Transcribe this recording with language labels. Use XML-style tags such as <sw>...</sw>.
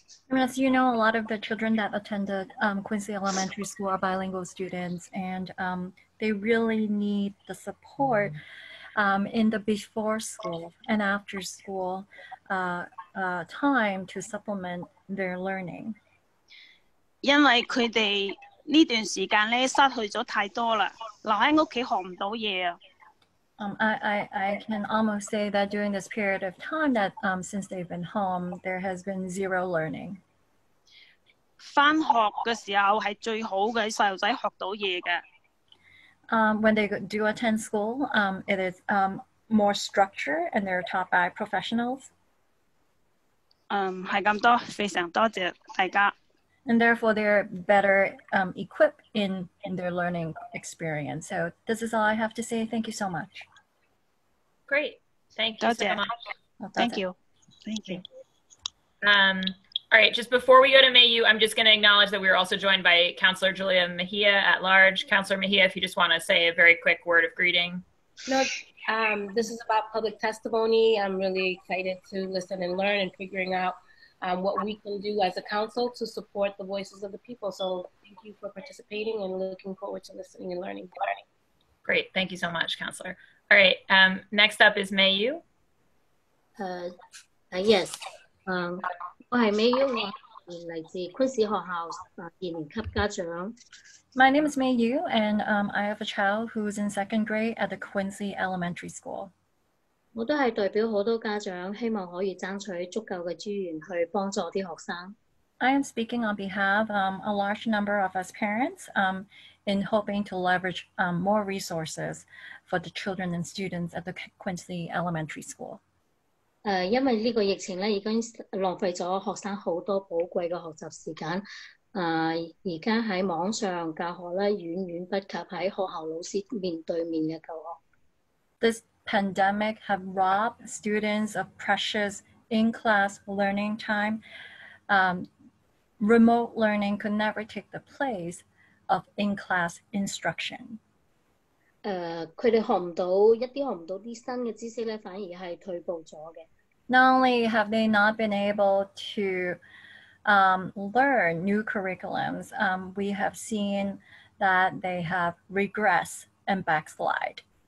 <en>As you know, a lot of the children that attended Quincy Elementary School are bilingual students, and they really need the support in the before school and after school time to supplement their learning.</en> <yue>因为他们这段时间失去了太多了，留在家里学不到东西。</yue> <en>I can almost say that during this period of time that since they've been home, there has been zero learning.</en> <yue>上学的时候是最好的，小孩学到东西的。</yue> <en>When they do attend school, it is more structure and they're taught by professionals.</en> <yue>是这么多，非常多谢大家。</yue> <en>And therefore, they're better equipped in their learning experience. So this is all I have to say. Thank you so much. Great. Thank you so much. Thank you. All right. Just before we go to Mayu, I'm just going to acknowledge that we're also joined by Councillor Julia Mejia at large. Councillor Mejia, if you just want to say a very quick word of greeting. No, this is about public testimony. I'm really excited to listen and learn and figuring out what we can do as a council to support the voices of the people. So thank you for participating and looking forward to listening and learning. Great. Thank you so much, Councillor. All right, next up is Mayu. Yes. Hi, Mayu. Like the Quincy Hall House in Kapgacharang. My name is Mayu, and I have a child who's in second grade at the Quincy Elementary School.</en> <yue>我都是代表很多家长，希望可以争取足够的资源去帮助啲学生。</yue> <en>I am speaking on behalf of a large number of us parents in hoping to leverage more resources for the children and students at the Quincy Elementary School.</en> <yue>因为这个疫情已经浪费了学生很多宝贵的学习时间，现在在网上教学远远不及在学校老师面对面的教学。</yue> <en>This pandemic has robbed students of precious in-class learning time. Remote learning could never take the place of in-class instruction.</en> <yue>他们学不到一些新的知识，反而是退步了。</yue> <en>Not only have they not been able to learn new curriculums, we have seen that they have regressed and backslide.</en>